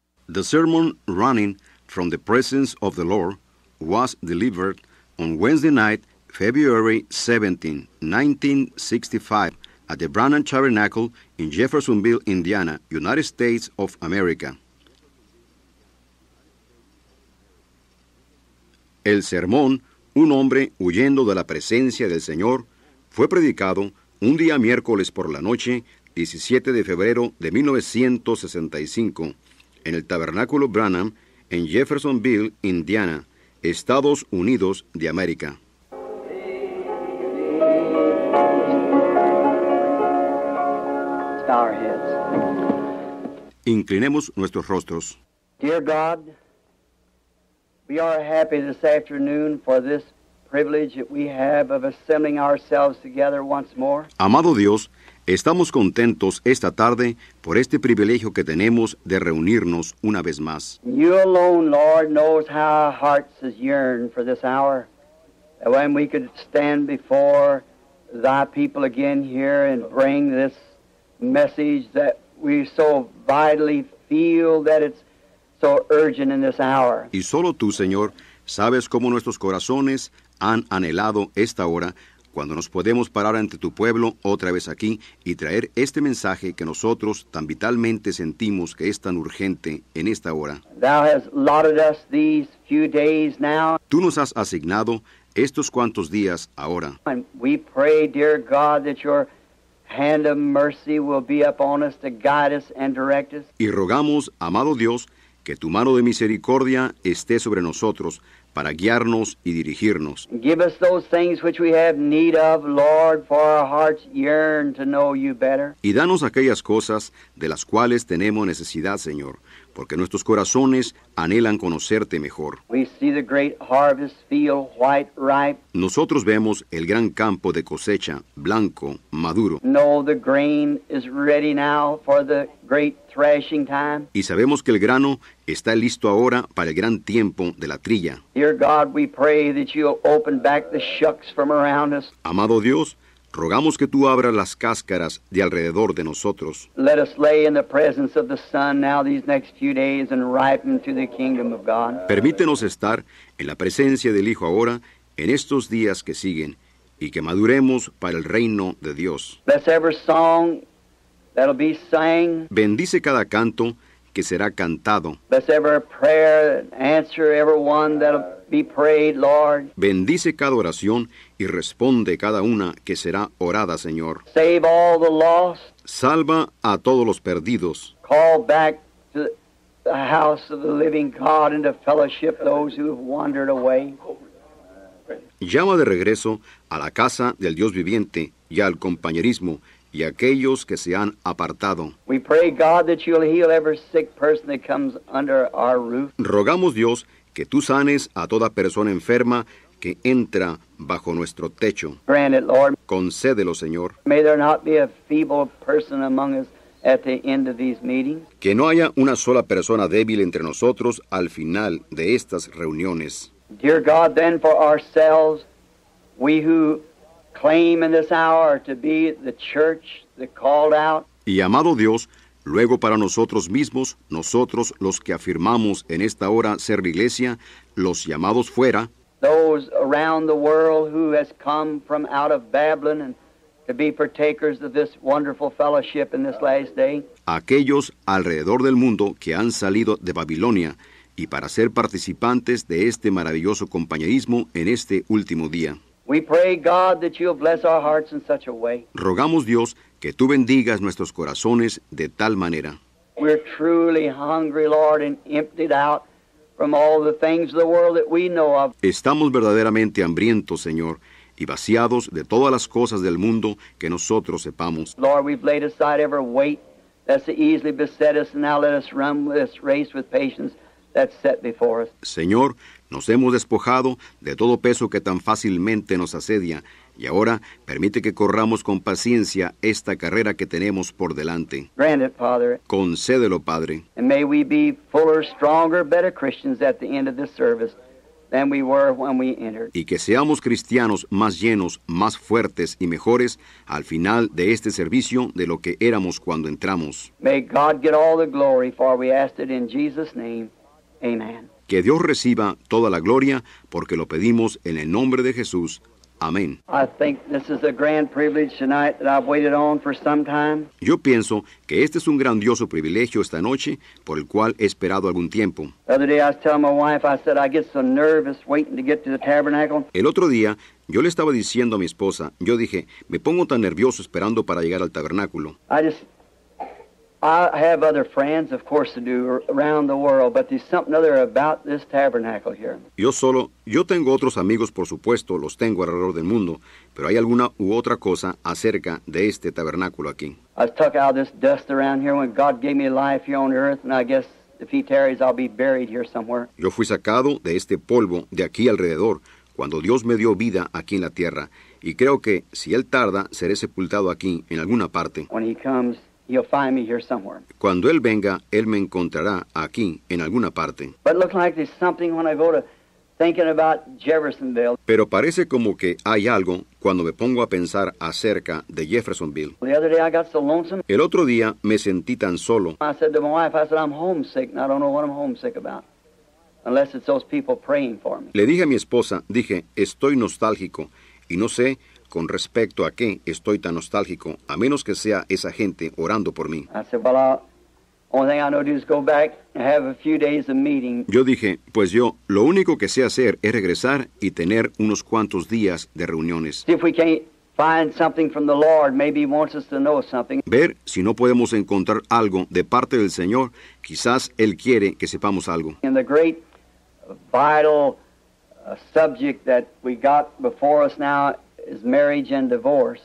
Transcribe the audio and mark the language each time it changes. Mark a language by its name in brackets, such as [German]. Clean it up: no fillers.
[English] The sermon running from the presence of the Lord was delivered on Wednesday night, February 17, 1965, at the Branham Tabernacle in Jeffersonville, Indiana, United States of America. [Spanish] El sermón, Un hombre huyendo de la presencia del Señor, fue predicado un día miércoles por la noche, 17 de febrero de 1965, en el Tabernáculo Branham, en Jeffersonville, Indiana, Estados Unidos de América. Inclinemos nuestros rostros. [English] Dear God, we are happy this afternoon for this privilege that we have of assembling ourselves together once more. [Spanish] Amado Dios, estamos contentos esta tarde por este privilegio que tenemos de reunirnos una vez más. [English] You alone, Lord, knows how our hearts has yearned for this hour, that when we could stand before Thy people again here and bring this message that we so vitally feel that it's so urgent in this hour. [Spanish] Y solo Tú, Señor, sabes cómo nuestros corazones han anhelado esta hora, cuando nos podemos parar ante Tu pueblo otra vez aquí y traer este mensaje que nosotros tan vitalmente sentimos que es tan urgente en esta hora. [English] Thou has allotted us these few days now. [Spanish] Tú nos has asignado estos cuantos días ahora. [English] And we pray, dear God, that Your hand of mercy will be upon us to guide us and direct us. [Spanish] Y rogamos, amado Dios, que Tu mano de misericordia esté sobre nosotros para guiarnos y dirigirnos. [English] Give us those things which we have need of, Lord, for our hearts yearn to know You better. [Spanish] Y danos aquellas cosas de las cuales tenemos necesidad, Señor, porque nuestros corazones anhelan conocerte mejor. [English] We see the great harvest field white, ripe. [Spanish] Nosotros vemos el gran campo de cosecha, blanco, maduro. [English] No, the grain is ready now for the great threshing time. [Spanish] Y sabemos que el grano está listo ahora para el gran tiempo de la trilla. [English] Dear God, we pray that You'll open back the shucks from around us. [Spanish] Amado Dios, rogamos que Tú abras las cáscaras de alrededor de nosotros. [English] Let us lay in the presence of the sun now these next few days and ripen to the kingdom of God. [Spanish] Permítenos estar en la presencia del Hijo ahora en estos días que siguen y que maduremos para el reino de Dios. [English] Bless every song that'll be sang. [Spanish] Bendice cada canto que será cantado. [English] Bless every prayer answer everyone that'll be prayed, Lord. [Spanish] Bendice cada oración y responde cada una que será orada, Señor. [English] Save all the lost. [Spanish] Salva a todos los perdidos. [English] Call back to the house of the living God and to fellowship those who have wandered away. [Spanish] Llama de regreso a la casa del Dios viviente y al compañerismo y a aquellos que se han apartado. [English] We pray, God, that You'll heal every sick person that comes under our roof. [Spanish] Rogamos, Dios, que Tú sanes a toda persona enferma que entra bajo nuestro techo. [English] Grant it, Lord. [Spanish] Concédelo, Señor. [English] May there not be a feeble person among us at the end of these meetings. [Spanish] Que no haya una sola persona débil entre nosotros al final de estas reuniones. [English] Dear God, then for ourselves, we who claim in this hour to be the church that called out. [Spanish] Y amado Dios, luego para nosotros mismos, nosotros los que afirmamos en esta hora ser la iglesia, los llamados fuera. [English] Those around the world who has come from out of Babylon and to be partakers of this wonderful fellowship in this last day. [Spanish] Aquellos alrededor del mundo que han salido de Babilonia y para ser participantes de este maravilloso compañerismo en este último día. [English] We pray, God, that You'll bless our hearts in such a way. [Spanish] Rogamos, Dios, que Tú bendigas nuestros corazones de tal manera. [English] We're truly hungry, Lord, and emptied out from all the things of the world that we know of. [Spanish] Estamos verdaderamente hambrientos, Señor, y vaciados de todas las cosas del mundo que nosotros sepamos. [English] Lord, we've laid aside every weight that's easily beset us, and now let us run this race with patience that's set before us. [Spanish] Señor, nos hemos despojado de todo peso que tan fácilmente nos asedia, y ahora permite que corramos con paciencia esta carrera que tenemos por delante. [English] Grant it, Father. [Spanish] Concédelo, Padre. [English] And may we be fuller, stronger, better Christians at the end of this service than we were when we entered. [Spanish] Y que seamos cristianos más llenos, más fuertes y mejores al final de este servicio de lo que éramos cuando entramos. [English] May God get all the glory, for we asked it in Jesus' name. Amen. [Spanish] Que Dios reciba toda la gloria porque lo pedimos en el nombre de Jesús. Amén. [English] I think this is a grand privilege tonight that I've waited on for some time. [Spanish] Yo pienso que este es un grandioso privilegio esta noche por el cual he esperado algún tiempo. [English] The other day I was telling my wife, I said, I get so nervous waiting to get to the tabernacle. [Spanish] El otro día yo le estaba diciendo a mi esposa, yo dije, me pongo tan nervioso esperando para llegar al tabernáculo. [English] I have other friends, of course, to do around the world, but there's something other about this tabernacle here. [Spanish] Yo tengo otros amigos, por supuesto, los tengo alrededor del mundo, pero hay alguna u otra cosa acerca de este tabernáculo aquí. [English] I stuck out this dust around here when God gave me life here on earth, and I guess if he tarries, I'll be buried here somewhere. [Spanish] Yo fui sacado de este polvo de aquí alrededor cuando Dios me dio vida aquí en la tierra, y creo que si él tarda, seré sepultado aquí en alguna parte. [English] When he comes, he'll find me here somewhere. [Spanish] Cuando él venga, él me encontrará aquí, en alguna parte. [English] But it looks like there's something when I go to thinking about Jeffersonville. [Spanish] Pero parece como que hay algo cuando me pongo a pensar acerca de Jeffersonville. [English] The other day I got so lonesome. [Spanish] El otro día me sentí tan solo. [English] I said to my wife, I said, I'm homesick, and I don't know what I'm homesick about. Unless it's those people praying for me. [Spanish] Le dije a mi esposa, dije, estoy nostálgico, y no sé con respecto a qué estoy tan nostálgico, a menos que sea esa gente orando por mí. [English] I said, well, the only thing I know to do is go back and have a few days of meeting. [Spanish] Yo dije, pues yo, lo único que sé hacer es regresar y tener unos cuantos días de reuniones. [English] See if we can't find something from the Lord, maybe he wants us to know something. [Spanish] Ver si no podemos encontrar algo de parte del Señor, quizás él quiere que sepamos algo. [English] In the great, vital subject that we got before us now, is marriage and divorce.